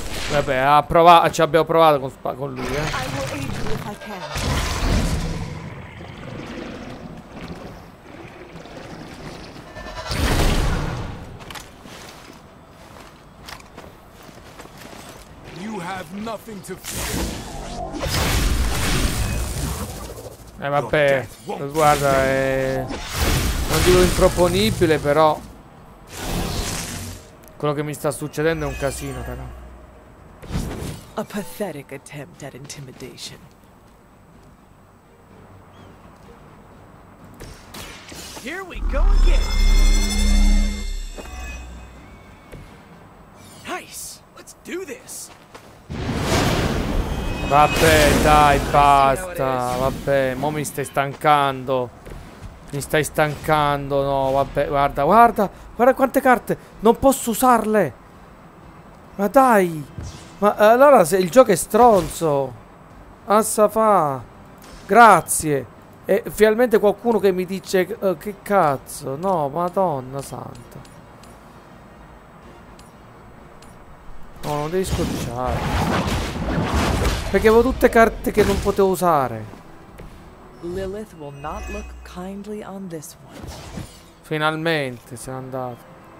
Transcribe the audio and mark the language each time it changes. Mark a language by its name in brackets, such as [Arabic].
[Italian] Vabbè, ci abbiamo provato con lui, [English] You have nothing to fear. [Italian] Vabbè, guarda, non dico improponibile, però quello che mi sta succedendo è un casino, però. [English] A pathetic attempt at intimidation. Here we go again. Nice. Let's do this. [Italian] Vabbè, dai, basta. Vabbè, mo mi stai stancando. Mi stai stancando. No, vabbè, guarda quante carte. Non posso usarle. Ma dai. Ma allora se il gioco è stronzo. Assa fa. Grazie. E finalmente qualcuno che mi dice che cazzo. No, madonna santa. No, non devi scocciare. Perché avevo tutte carte che non potevo usare. [English] Lilith will not look kindly on this one. [Italian] Finalmente se n'è andato.